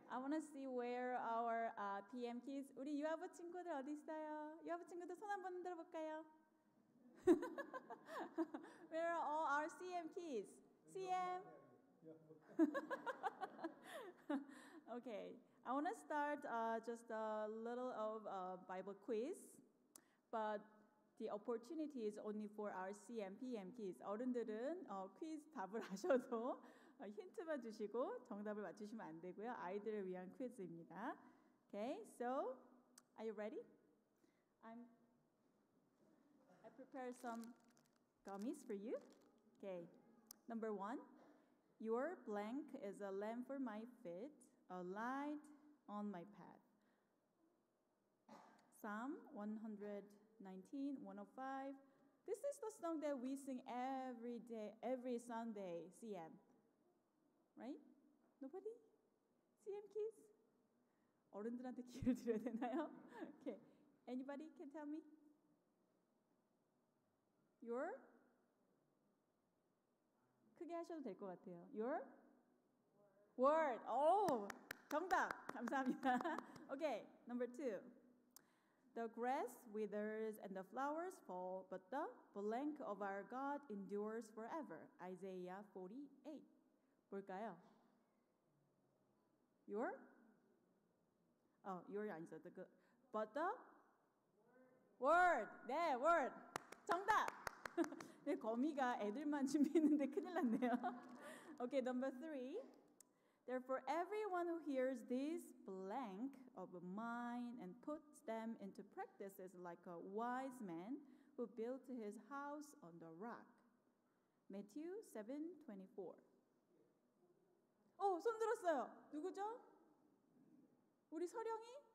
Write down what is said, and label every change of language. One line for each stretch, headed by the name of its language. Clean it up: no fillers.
English: I want to see where our PM kids.
Korean: 우리 유아부 친구들 어디 있어요? 유아부 친구들 손 한번 흔들어 볼까요?
English: Where are all our CM kids? CM. Okay. I want to start just a little of a Bible quiz, but the opportunity is only for our CM, PM kids.
Korean: 어른들은 퀴즈 답을 하셔도 힌트만 주시고 정답을 맞추시면 안 되고요. 아이들을 위한 퀴즈입니다.
English: Okay, so are you ready? I prepared some gummies for you. Okay, number one, your blank is a lamp for my feet, a light on my path. Psalm 119:105. This is the song that we sing every day, every Sunday, CM. Right? Nobody? CM kids?
Korean: 어른들한테 기회를 드려야 되나요?
English: Okay. Anybody can tell me? Your?
Korean: 크게 하셔도 될 것 같아요.
English: Your? Word. Word. Oh,
Korean: 정답. 감사합니다.
English: Okay. Number two. The grass withers and the flowers fall, but the blank of our God endures forever.
Korean: Isaiah 48. 뭘까요?
English: Your? Oh, your
Korean: 아니죠.
English: The good. But the? Word. Word. 네, word. 정답.
Korean: 네, 거미가 애들만 준비했는데 큰일 났네요.
English: Okay, number three. Therefore, everyone who hears this blank of mine and puts them into practice is like a wise man who built his house on the rock.
Korean: Matthew 7:24. 어, 손 들었어요. 누구죠? 우리 서령이?